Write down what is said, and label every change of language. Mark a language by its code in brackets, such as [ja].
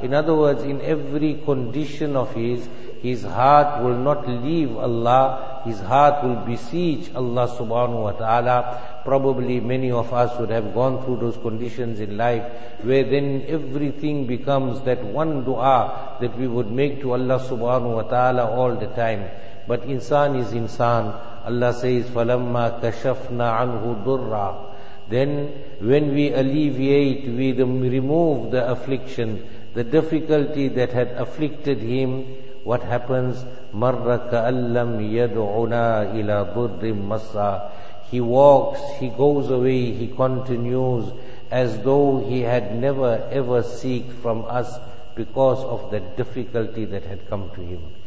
[en] In other words, in every condition of his heart will not leave Allah. His heart will beseech Allah Subhanahu wa Ta'ala. Probably many of us would have gone through those conditions in life where then everything becomes that one dua that we would make to Allah Subhanahu wa Ta'ala all the time. But insan is insan. Allah says, [ar] فَلَمَّا كَشَفْنَا عَنْهُ ضُرَّا. [en] Then when we alleviate, we remove the affliction, the difficulty that had afflicted him, what happens? [ar] مَرَّ كَأَلَّمْ يَدْعُنَا إِلَىٰ ضُرِّ مَسَّى. [en] He walks, he goes away, he continues as though he had never ever sought from us because of the difficulty that had come to him.